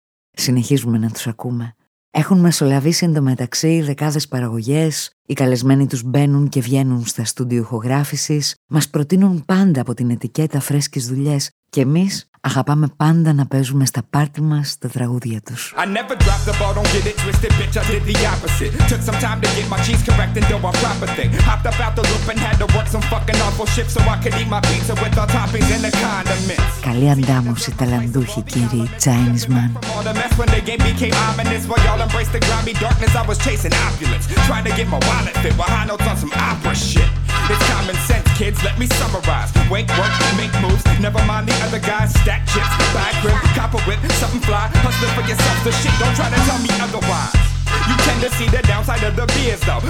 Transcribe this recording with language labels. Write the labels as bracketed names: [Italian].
[Greek] Συνεχίζουμε να τους ακούμε. Έχουν μεσολαβήσει εντωμεταξύ δεκάδες παραγωγές, οι καλεσμένοι τους μπαίνουν και βγαίνουν στα στούντιο ηχογράφησης, μας προτείνουν πάντα από την ετικέτα φρέσκες δουλειές και εμείς αγαπάμε πάντα να παίζουμε στα πάρτι μας τα τραγούδια τους. [English] I never dropped the ball, don't get it twisted, bitch, I did the opposite. Took some time to get my cheese correct and do a proper thing. Hopped up out the loop and had to work some fucking awful shit so I could eat my pizza with all toppings and the condiments. [Greek] Καλή αντάμωση, ταλαντούχοι κύριοι, Chinese Man. [English] All the mess when the game became ominous, while y'all embraced the grimy darkness, I was chasing opulence. Trying to get my wallet fit, but high notes on some opera shit. It's common sense, kids, let me summarize. Wait, work, make moves, never mind the other guys. Stack chips, buy a grip, cop a whip, something fly. Hustling for yourself, the shit, don't try to tell me otherwise. You tend to see the downside of the beers, though.